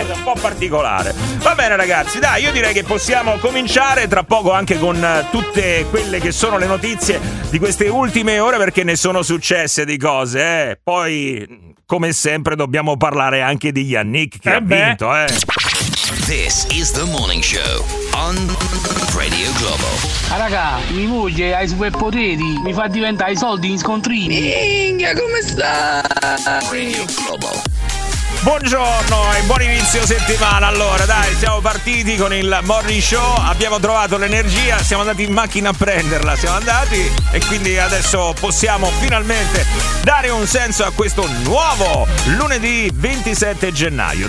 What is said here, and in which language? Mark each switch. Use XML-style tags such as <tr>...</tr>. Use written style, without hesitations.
<it>Un po' particolare. Va bene ragazzi, dai, io direi che possiamo cominciare tra poco anche con tutte quelle che sono le notizie di queste ultime ore, perché ne sono successe di cose, eh. Poi, come sempre, dobbiamo parlare anche di Yannick, che ha vinto,</it> <en>This is the morning show on Radio Globo.</en> <it>Ah, raga, mi moglie ha i superpoteri, mi fa diventare i soldi in scontrini. Minchia, come sta? Radio Globo. Buongiorno e buon inizio settimana. Allora, dai, siamo partiti con il morning show, abbiamo trovato l'energia, siamo andati in macchina a prenderla, e quindi adesso possiamo finalmente dare un senso a questo nuovo lunedì 27 gennaio.</it>